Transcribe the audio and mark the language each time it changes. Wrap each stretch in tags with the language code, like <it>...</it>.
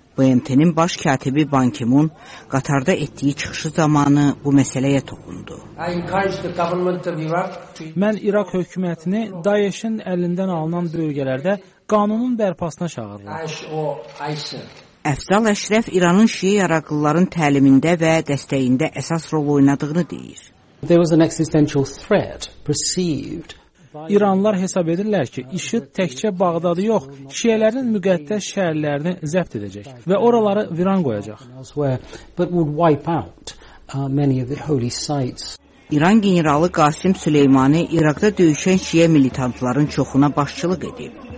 <az>BMT'nin baş katibi Ban Ki-moon Qatar'da etdiyi çıxışı zamanı bu məsələyə toxundu. Mən İraq hökumətini DAEŞ'in əlindən alınan bölgələrdə qanunun bərpasına çağırdım. Əfzal Əşrəf İranın Şii yaraqlıların təlimində və dəstəyində əsas rol oynadığını deyir.</az> <en>There was an existential threat perceived.</en> <az>İranlılar hesab edirlər ki, IŞİD təkcə Bağdadı yox, Şiələrin müqəddəs şəhərlərini zəbt edəcək və oraları viran qoyacaq. İran generalı Qasim Süleymani İraqda döyüşən Şiə militantların çoxuna başçılıq edib.</az>